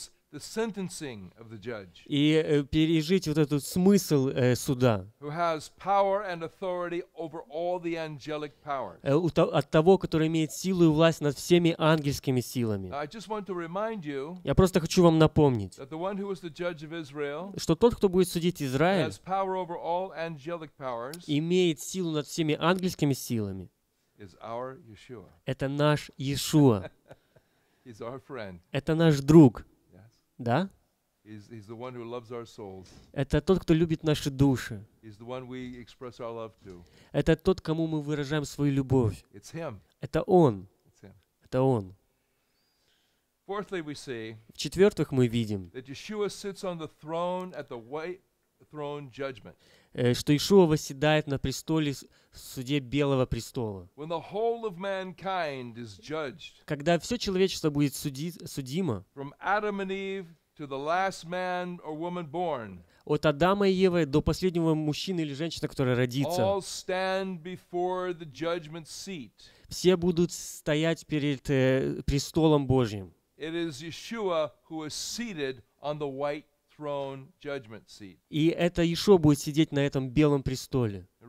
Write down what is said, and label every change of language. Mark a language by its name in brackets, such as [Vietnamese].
[English] The sentencing of the judge. [Russian] И пережить вот этот смысл суда. [English] Who has power and authority over all the angelic powers. [Russian] От того, который имеет силу и власть над всеми ангельскими силами. [English] I just want to remind you. [Russian] Я просто хочу вам напомнить. [English] That the one who was the judge of Israel. [Russian] Что тот, кто будет судить Израиль. [English] Has power over all angelic powers. [Russian] Имеет силу над всеми ангельскими силами. [English] Is our Yeshua. [Russian] Это наш Иешуа. [English] He's our friend. [Russian] Это наш друг. Да? [English] He's the one who loves our souls. [Russian] Это тот, кто любит наши души. [English] He's the one we express our love to. [Russian] Это тот, кому мы выражаем свою любовь. [English] It's him. [Russian] Это он. [English] It's him. [Russian] Это он. [English] Fourthly, we see. [Russian] В-четвертых, мы видим. [English] That Yeshua sits on the throne at the white throne judgment. [Russian] Что Иешуа восседает на престоле в суде Белого престола. [English] When the whole of mankind is judged, [Russian] когда все человечество будет судимо, [English] from Adam and Eve to the last man or woman born, [Russian] от Адама и Евы до последнего мужчины или женщины, которая родится, [English] all stand before the judgment seat. [Russian] Все будут стоять перед престолом Божьим. [English] It is Yeshua who is seated on the white throne. [Russian] И это Иешуа будет сидеть на этом белом престоле.